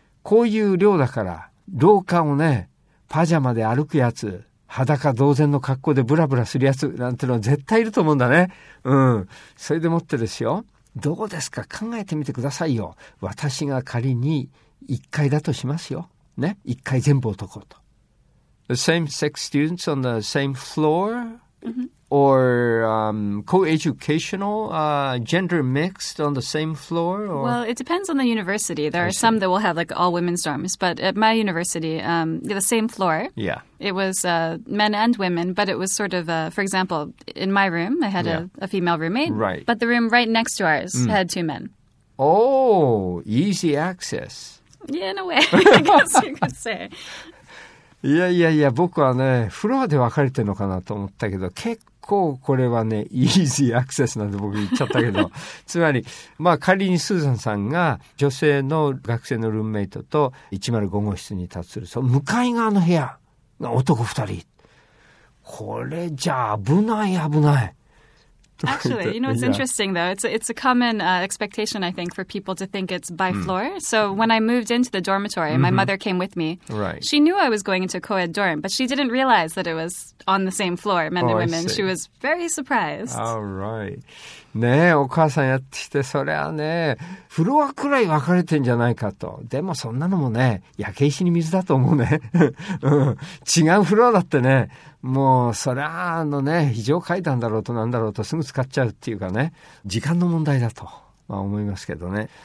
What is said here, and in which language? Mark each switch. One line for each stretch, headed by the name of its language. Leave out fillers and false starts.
Japanese: こういう寮だから、廊下をね、パジャマで歩くやつ、裸同然の格好でブラブラするやつなんてのは絶対いると思うんだね。うん。それでもってですよ。どうですか？考えてみてくださいよ。私が仮に一階だとしますよ。ね。一階全部男と。
English: The same sex students on the same floor? Or co-educational, gender mixed on the same floor? Or? Well, it depends on the university. There are some that will have like all women's dorms. But at my university, the same floor, yeah, it was men and women. But it was sort of, for example, in my room, I had a female roommate. Right. But the room right next to ours had two men. Oh, easy access. Yeah, in a way, I guess you could say.
Japanese: いやいやいや、僕はね、フロアで分かれてるのかなと思ったけど、結構これはね、イージーアクセスなんで僕言っちゃったけど、つまり、まあ仮にスーザンさんが女性の学生のルームメイトと105号室に立つ、その向かい側の部屋が男2人。これじゃ危ない危ない。
English: Actually, you know, it's interesting, though. It's a common expectation, I think, for people to think it's by floor. So when I moved into the dormitory, my mother came with me. Right. She knew I was going into a co-ed dorm, but she didn't realize that it was on the same floor, men and women. She was very surprised. All right.
Japanese: ねえ、お母さんやってきて、それはね、フロアくらい分かれてんじゃないかと。でもそんなのもね、焼け石に水だと思うね。うん、違うフロアだってね、もうそれはあのね、非常階段だろうとなんだろうとすぐ使っちゃうっていうかね、時間の問題だと、まあ、思いますけどね。